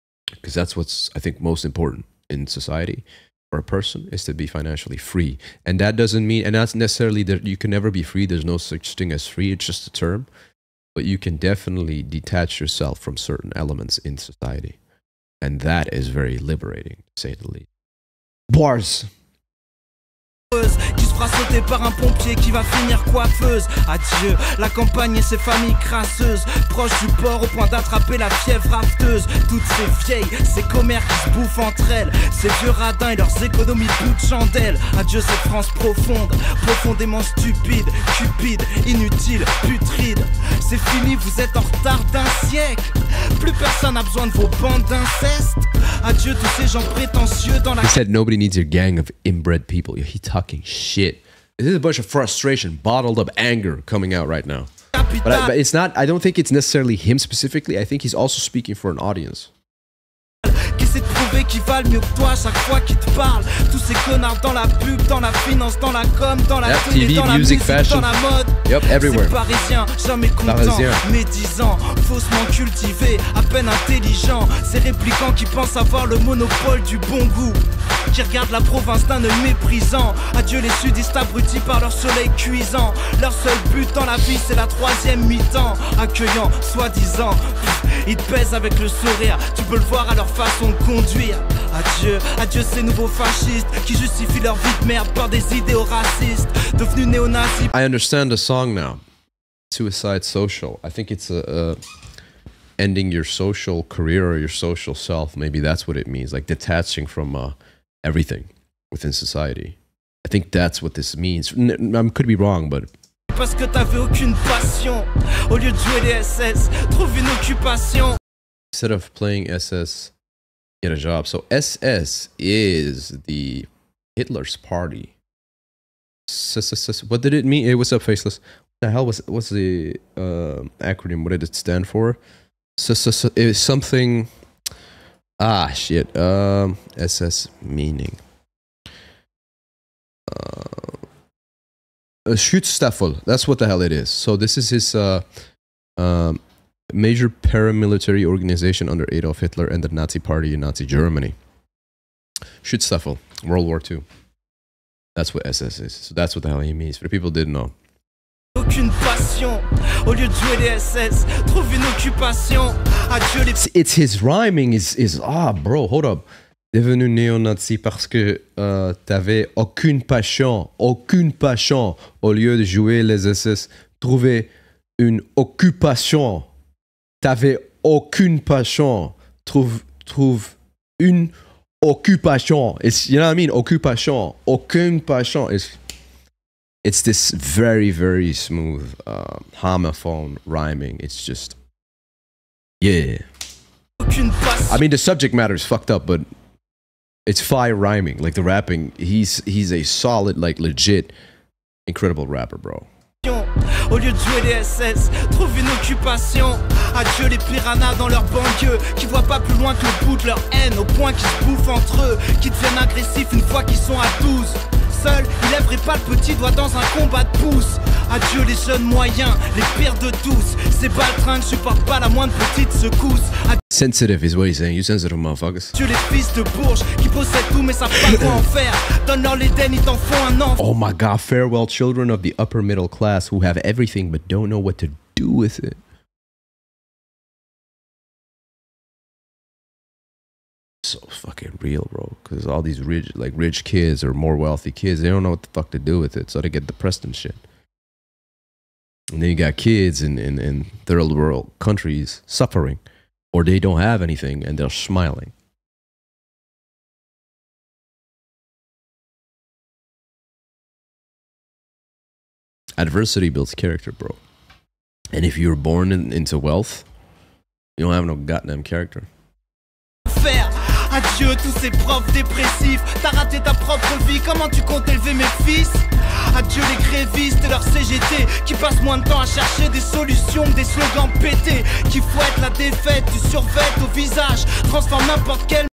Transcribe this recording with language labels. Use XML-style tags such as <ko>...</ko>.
<en>Because that's what's, I think, most important in society for a person, is to be financially free. And that doesn't mean, and that's necessarily that you can never be free. There's no such thing as free. It's just a term. But you can definitely detach yourself from certain elements in society. And that is very liberating, to say the least. Bars!</en> <fr>Qui se fera sauter par un pompier qui va finir coiffeuse. Adieu, la campagne et ses familles crasseuses. Proche du port au point d'attraper la fièvre rafteuse. Toutes ces vieilles, ces commères qui se bouffent entre elles. Ces vieux radins et leurs économies toutes chandelles. Adieu cette France profonde, profondément stupide. Cupide, inutile, putride. C'est fini, vous êtes en retard d'un siècle. Plus personne n'a besoin de vos bandes d'inceste. Adieu tous ces gens prétentieux dans la...</fr> <en>He said nobody needs your gang of inbred people. He talking shit. This is a bunch of frustration, bottled up anger coming out right now. But it's not, I don't think it's necessarily him specifically. I think he's also speaking for an audience.</en> <fr>Qui valent mieux que toi chaque fois qu'ils te parlent. Tous ces connards dans la pub, dans la finance, dans la com, dans la télé, dans la musique, dans la mode.</fr> <en>Yep, everywhere.</en> <fr>Ces parisiens, jamais contents, médisants, faussement cultivés, à peine intelligents. Ces réplicants qui pensent avoir le monopole du bon goût, qui regardent la province d'un œil méprisant. Adieu les sudistes abrutis par leur soleil cuisant. Leur seul but dans la vie, c'est la troisième mi-temps. Accueillant, soi-disant, ils te pèsent avec le sourire. Tu peux le voir à leur façon de conduire. Adieu, adieu ces nouveaux fascistes qui justifient leur vie de merde par des idéaux racistes devenus néo-nazis.</fr> <en>I understand the song now. Suicide Social. I think it's ending your social career or your social self. Maybe that's what it means. Like detaching from everything within society. I think that's what this means. I could be wrong, but...</en> <fr>Parce que t'avais aucune passion. Au lieu de jouer les SS, trouve une occupation.</fr> <en>Instead of playing SS... get a job. So SS is the Hitler's party. What did it mean? Hey, what's up, Faceless? What the hell was the acronym? What did it stand for? It was something. Ah, shit. SS meaning. Schutzstaffel. That's what the hell it is. So this is his. Major paramilitary organization under Adolf Hitler and the Nazi Party in Nazi Germany. Schutzstaffel, World War II. That's what SS is. So that's what the hell he means. For people who didn't know.</en> <fr>Aucune passion. Au lieu de jouer les SS, trouve une occupation. Adieu les...</fr> <en>It's his rhyming is ah bro, hold up.</en> <fr>Devenu néo-nazi parce que t'avais aucune passion. Aucune passion. Au lieu de jouer les SS, trouver une occupation. T'avais aucune passion. Trouve une occupation.</fr> <en>It's, you know what I mean? Occupation.</en> <fr>Aucune passion.</fr> <en>It's this very, very smooth homophone rhyming. It's just... Yeah.</en> <fr>Aucune passion.</fr> <en>I mean, the subject matter is fucked up, but it's fire rhyming. Like, the rapping, he's a solid, like, legit, incredible rapper, bro.</en> <fr>Au lieu de jouer les SS, trouve une occupation. Adieu les piranhas dans leur banlieue, qui voient pas plus loin que le bout de leur haine, au point qu'ils se bouffent entre eux, qui deviennent agressifs une fois qu'ils sont à 12. Seul, ils lèveraient pas le petit doigt dans un combat de pouce. Adieu les jeunes moyens, les pires de tous. Ces baltrins ne supportent pas la moindre petite secousse.</fr> <en>Sensitive is what he's saying. You sensitive motherfuckers.</en> <fr>Adieu les fils de bourges qui possèdent tout mais savent pas quoi en faire. Donne-leur l'Éden, ils t'en font un enfant.</fr> <en>Oh my god, farewell children of the upper middle class who have everything but don't know what to do with it. So fucking real, bro, because all these rich kids or more wealthy kids, they don't know what the fuck to do with it, so they get depressed and shit. And then you got kids in third world countries suffering, or they don't have anything and they're smiling. adversity builds character, bro. And if you're born into wealth, you don't have no goddamn character.</en> <fr>Adieu tous ces profs dépressifs. T'as raté ta propre vie, comment tu comptes élever mes fils? Adieu les grévistes et leur CGT qui passent moins de temps à chercher des solutions que des slogans pétés. Qui fouettent la défaite du survêt au visage. Transforme n'importe quel...</fr>